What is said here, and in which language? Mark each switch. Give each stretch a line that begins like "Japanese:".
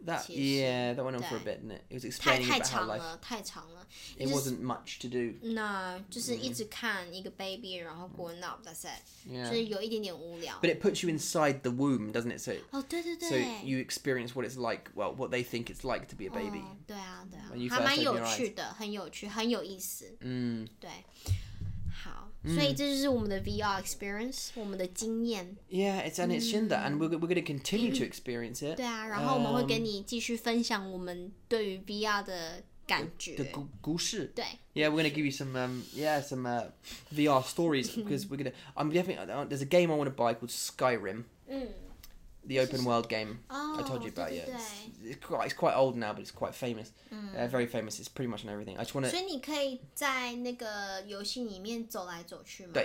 English: That went on for a bit, didn't it? It was explaining about how life.
Chinese: 太长了。
English: It wasn't much to do. No,
Chinese: 就是一直看一个
English: baby,
Chinese: 然后
English: growing up, that's it. Yeah.
Chinese: 就是有一点点无聊。
English: But it puts you inside the womb, doesn't it? So,
Chinese: 对对对。
English: So you experience what it's like, well, what they think it's like to be a baby.
Chinese: 对啊，对啊。还蛮有趣的，很有趣，很有意思。嗯。对。好，所以这就是我们的 VR experience， 我们的经验。
English: Yeah, it's and it's in that, and we're going to continue to experience it.
Chinese: 对啊，然后我们会跟你继续分享我们对于 VR 的感觉的故事。对。
English: Yeah, we're going to give you some VR stories because we're going to. I'm definitely there's a game I want to buy called Skyrim. The open world game、 oh, I told you about,
Chinese: 对对对
English: yeah. It's quite old now, but it's quite famous.、 Mm. Very famous, it's pretty much on everything. I just want to...
Chinese: 所以你可以在那个游戏里面走来走去吗？